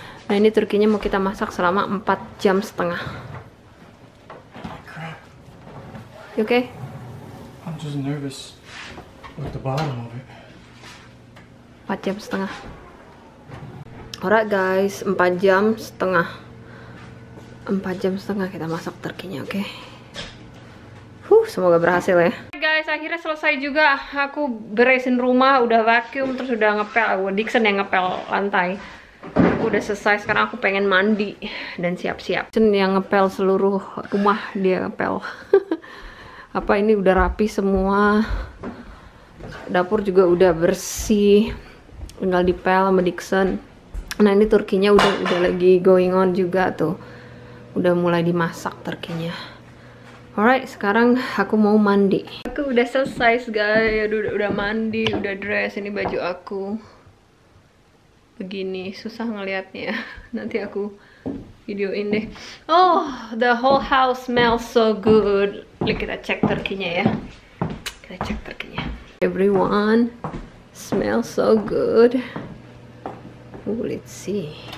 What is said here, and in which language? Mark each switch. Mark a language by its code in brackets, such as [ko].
[id] Nah, ini turkinya mau kita masak selama 4 jam setengah. [en] You okay? I'm just nervous with the bottom of it. [id] 4 jam setengah. [en] Alright guys, [id] 4 jam setengah. 4 jam setengah kita masak turkinya, oke? Okay? Semoga berhasil ya. Guys, akhirnya selesai juga. Aku beresin rumah, udah vacuum, terus udah ngepel. Dixon yang ngepel lantai. Aku udah selesai, sekarang aku pengen mandi dan siap-siap. Dixon yang ngepel seluruh rumah, dia ngepel. Apa ini udah rapi semua. Dapur juga udah bersih. Tinggal dipel sama Dixon. Nah, ini turkinya udah lagi [en] going on [id] juga tuh. Udah mulai dimasak turkinya. Alright, sekarang aku mau mandi. Aku udah selesai guys, udah mandi, udah dress, ini baju aku. Begini, susah ngeliatnya. Nanti aku videoin deh. [en] Oh, the whole house smells so good. [id] Lih, kita cek turkinya ya. Kita cek turkinya. [en] Everyone, smells so good. Ooh, let's see.